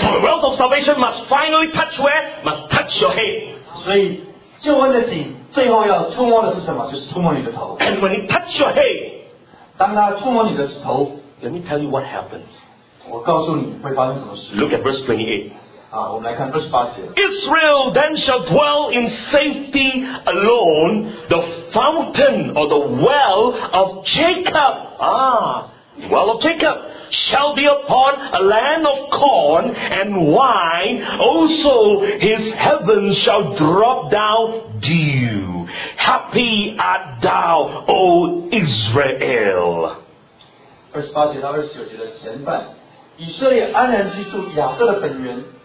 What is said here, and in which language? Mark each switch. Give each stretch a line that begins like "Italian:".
English: So the wealth of salvation must finally touch where? Must touch your head.
Chinese: 所以救恩的井最后要触摸的是什么？就是触摸你的头。
English: And when it touch your head,
Chinese: 当他触摸你的头,
English: let me tell you what happens.
Chinese: 我告诉你会发生什么事。
English: Look at verse 28.
Chinese: 我们来看28节。
English: Israel then shall dwell in safety alone, the fountain or the well of Jacob. Well of Jacob shall be upon a land of corn and wine. Also his heavens shall drop down dew. Happy art thou, O Israel.
Chinese: 28节到29节的前半，以色列安然居住雅各的本源。